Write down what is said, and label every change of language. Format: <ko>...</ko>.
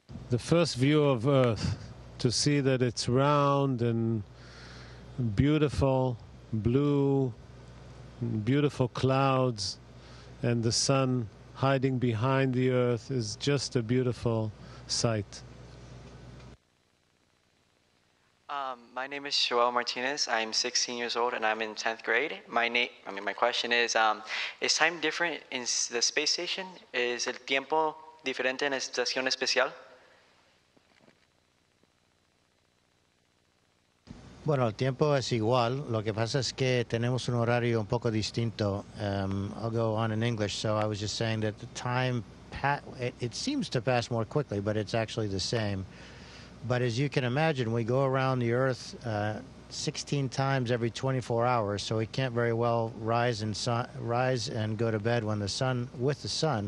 <en>The first view of Earth, to see that it's round and beautiful, blue, beautiful clouds, and the sun hiding behind the Earth is just a beautiful sight. My name is Joel Martinez. I'm 16 years old, and I'm in 10th grade. My question is time different in the space station?</en> <es>Is el tiempo diferente en la estación espacial? Bueno, el tiempo es igual. Lo que pasa es que tenemos un horario un poco distinto.</es> <en>I'll go on in English. So I was just saying that the time, it seems to pass more quickly, but it's actually the same. But as you can imagine, we go around the Earth 16 times every 24 hours, so he can't very well rise and go to bed when the sun with the sun.</en>